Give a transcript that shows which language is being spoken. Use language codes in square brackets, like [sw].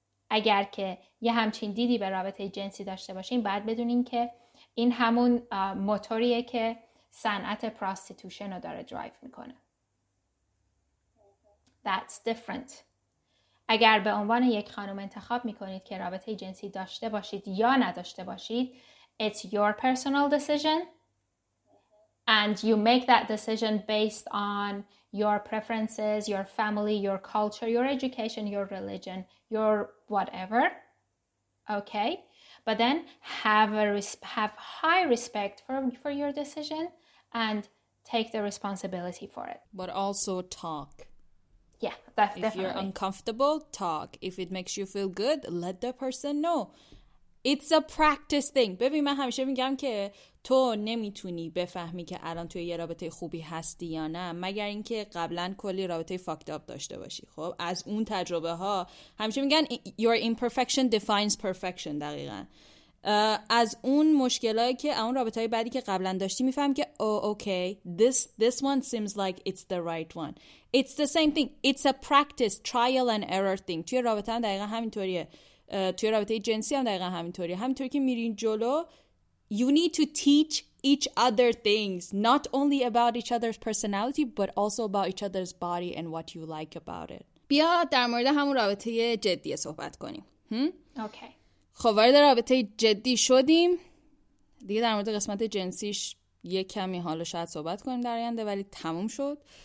[fa] اگر که یه همچین دیدی به رابطه جنسی داشته باشین، باید بدونین که این همون موتوریه که صنعت پراستیتوشن رو داره درایو میکنه. [en] That's different. [fa] اگر به عنوان یک خانم انتخاب میکنید که رابطه جنسی داشته باشید یا نداشته باشید، [en] It's your personal decision. And you make that decision based on your preferences, your family, your culture, your education, your religion, your whatever. Okay? But then have high respect for your decision and take the responsibility for it. But also talk. Yeah, definitely. If you're uncomfortable, talk. If it makes you feel good, let the person know. It's a practice thing. [fa] ببین من همیشه میگم که تو نمیتونی بفهمی که الان توی یه رابطه خوبی هستی یا نه مگر اینکه قبلا کلی رابطه [en] fucked up [fa] داشته باشی. خب از اون تجربه ها همیشه میگن [en] your imperfection defines perfection. [fa] دقیقا از اون مشکلایی که اون رابطه های بعدی که قبلا داشتی میفهمی که [en] oh, okay, this one seems like it's the right one. It's the same thing. It's a practice, trial and error thing. [fa] توی رابطه هم دقیقا همینطوریه. توی رابطه جنسی هم دقیقا همینطوری. همینطوری که میرین جلو [en] you need to teach each other things not only about each other's personality but also about each other's body and what you like about it. [fa] بیا در مورد همون رابطه جدی صحبت کنیم. [en] Okay. [fa] خب وارد رابطه جدی شدیم دیگه، در مورد قسمت جنسیش یک کمی حالا شاید صحبت کنیم در آینده، ولی تموم شد.